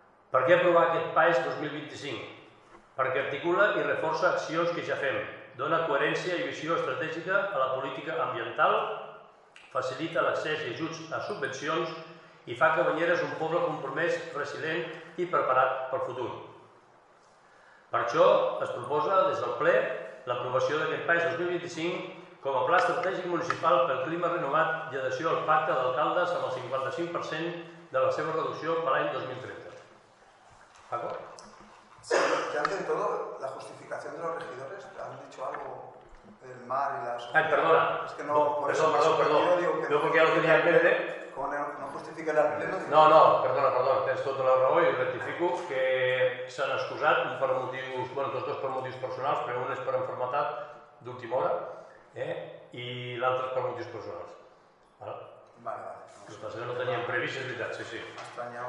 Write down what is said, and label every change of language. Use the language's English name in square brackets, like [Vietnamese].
[Catalan] Per què aprovar aquest PAES 2025? Perquè articula i reforça accions que ja fem, dona coherència i visió estratègica a la política ambiental, facilita l'accés i ajuts a subvencions i fa que Banyeres un poble compromès, resilient i preparat pel futur. Per això es proposa des del ple l'aprovació d'aquest PAES 2025 com a Pla Estratègic Municipal pel Clima Renovat i adhesió al pacte d'alcaldes amb el 55% de la seva reducció per l'any 2030. Paco? [Spanish] Sí, ya ante todo, la justificación de los regidores, han dicho algo del mar y la sociedad. Ay, perdona. Es que no, perdón. Yo porque ya lo tenía en mente. Como no justifica el pleno. No, perdona. [Catalan] Tens tota la raó i rectifico que s'han excusat, un per motius, bueno, tots dos per motius personals, però un és per enfermetat d'última hora, i l'altre per motius personals. Vale. El que no teníem previst, és veritat, sí, sí. Estranyar